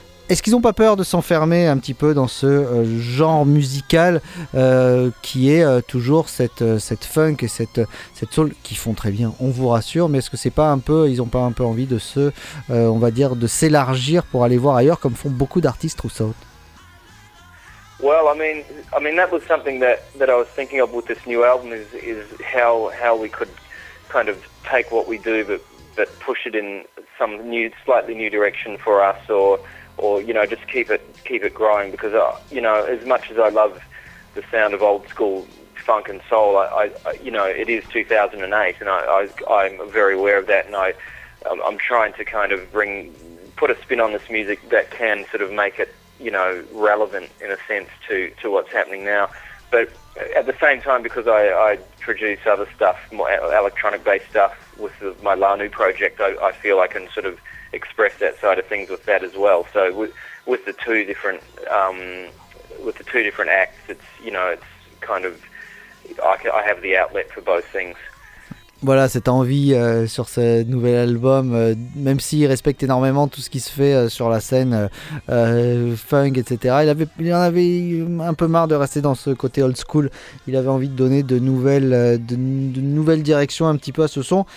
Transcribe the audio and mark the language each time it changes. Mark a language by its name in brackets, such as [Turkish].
[French] Est-ce qu'ils n'ont pas peur de s'enfermer un petit peu dans ce genre musical qui est toujours cette funk et cette soul qui font très bien, on vous rassure, mais est-ce que c'est pas un peu, ils n'ont pas un peu envie de se on va dire de s'élargir pour aller voir ailleurs, comme font beaucoup d'artistes ou ça? [English] Well, I mean that was something that I was thinking of with this new album is how we could kind of take what we do but push it in some new, slightly new direction for us, or you know, just keep it growing, because you know, as much as I love the sound of old school funk and soul, I you know, it is 2008, and I'm very aware of that, and I'm trying to kind of put a spin on this music that can sort of make it, you know, relevant in a sense to what's happening now. But at the same time, because I produce other stuff, more electronic based stuff with my Lanu project, I feel I can sort of express that side of things with that as well. So with the two different acts, it's, you know, it's kind of, I have the outlet for both things. [French] voilà, cette envie sur ce nouvel album, même s'il respecte énormément tout ce qui se fait sur la scène funk, etc. Il en avait un peu marre de rester dans ce côté old school. Il avait envie de donner de nouvelles directions un petit peu à ce son.